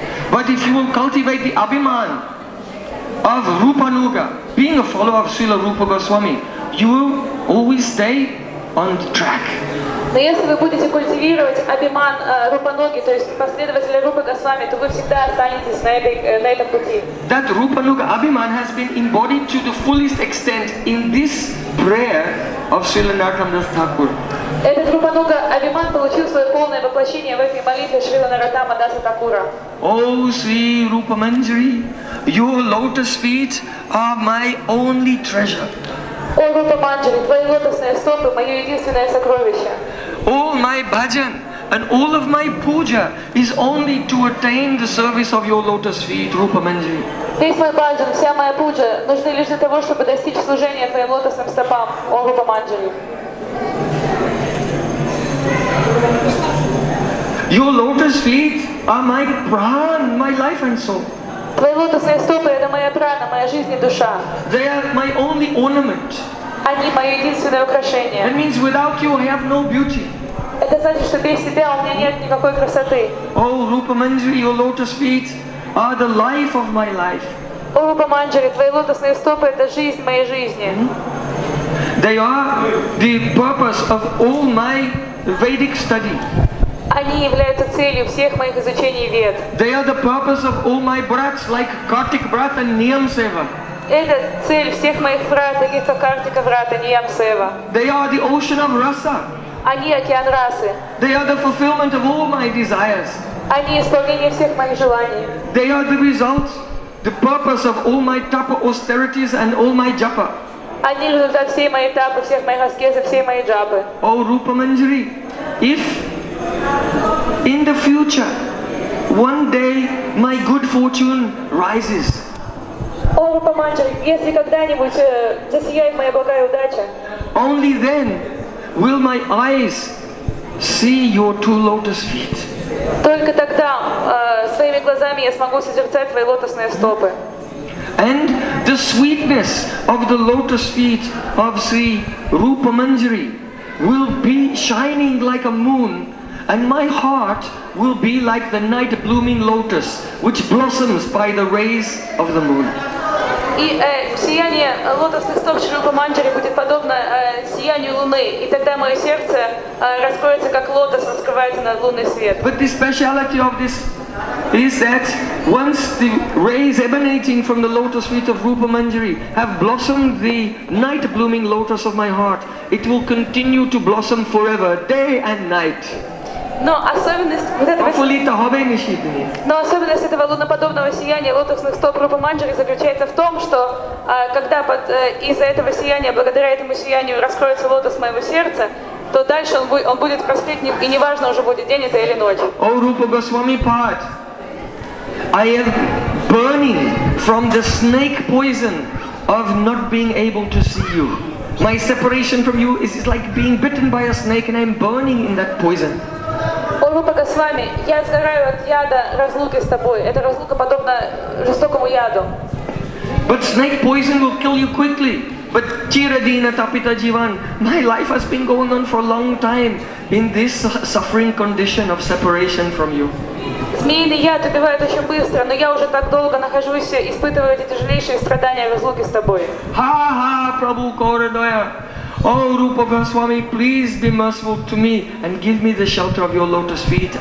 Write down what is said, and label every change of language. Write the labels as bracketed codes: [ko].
[en] But if you will cultivate the abhiman of Rupanuga, being a follower of Srila Rupa Goswami, you will always stay on the track. [ru] Но если вы будете культивировать абиман рупаноги, то есть последователя Рупы Госвами, то вы всегда останетесь на этом пути. [en] That rupanuga abhiman has been embodied to the fullest extent in this prayer of Srila Narottam Thakur. [ru] Этот рупануга абиман получил свое полное воплощение в этой молитве Шрила Нараттама Даса Такура. [en] Oh, Sri Rupa Manjari, your lotus feet are my only treasure. [ru] О, Рупа Манджари, твои лотосные стопы – мое единственное сокровище. [en] All my bhajan and all of my puja is only to attain the service of your lotus feet, Rupa Manjari. [ru] Весь мой bhajan, вся моя пуджа нужны лишь для того, чтобы достичь служения твоим лотосным стопам, о, Рупа Манджари. [en] Your lotus feet are my pran, my life and soul. [ru] Твои лотосные стопы – это моя прана, моя жизнь и душа. [en] They are my only ornament. [ru] Они – мое единственное украшение. [en] That means without you I have no beauty. [ru] Это значит, что без тебя у меня нет никакой красоты. [en] Oh, Rupa Manjari, your lotus feet are the life of my life. [ru] О, Рупа Манджари, твои лотосные стопы – это жизнь моей жизни. [en] They are the purpose of all my Vedic study. [ru] Они являются целью всех моих изучений вед. [en] They are the purpose of all my brats, like Kartik brat and Niyam Seva. [ru] Это цель всех моих брат, таких как Kartika brat и Niyam Seva. [en] They are the ocean of rasa. [ru] Они океан расы. [en] They are the fulfillment of all my desires. [ru] Они исполнение всех моих желаний. [en] They are the result, the purpose of all my tapa austerities and all my japa. [ru] Они результат всей моей тапы, всех моих аскез и всей моей джапы. [en] Oh, Rupa Manjari, if in the future, one day my good fortune rises. [ru] О, Рупа Манджари, если когда-нибудь засияет моя благая удача. [en] Only then will my eyes see your two lotus feet. [ru] Только тогда своими глазами я смогу созерцать твои лотосные стопы. [en] And the sweetness of the lotus feet of Sri Rupa Manjari will be shining like a moon. And my heart will be like the night blooming lotus, which blossoms by the rays of the moon. [ru] И сияние лотосных стоп Шри Рупа Манджари будет подобно сиянию луны, и тогда мое сердце раскроется как лотос, раскрывается на лунный свет. [en] But the speciality of this is that once the rays emanating from the lotus feet of Rupa Manjari have blossomed the night blooming lotus of my heart, it will continue to blossom forever, day and night. [ru] Но особенность вот особенность этого луноподобного сияния лотосных стоп Рупа Манджари заключается в том, что когда из-за этого сияния, благодаря этому сиянию, раскроется лотос моего сердца, то дальше он будет просветь, и неважно уже будет день это или ночь. [en] О, Рупа Госвами Пад, I am burning from the snake poison of not being able to see you. My separation from you is like being bitten by a snake, and I'm burning in that poison. [ru] О, Рупа Госвами, я сгораю от яда разлуки с тобой. Это разлука подобна жестокому яду. [en] But snake poison will kill you quickly. But [bn] chiradina tapita jivan, [en] my life has been going on for a long time in this suffering condition of separation from you. [ru] Змеиный яд убивает очень быстро, но я уже так долго нахожусь, испытываю эти тяжелейшие страдания разлуки с тобой. [bn] Ха-ха, Прабу Корадоя. [en] Oh, Rupa Goswami, please be merciful to me and give me the shelter of your lotus feet.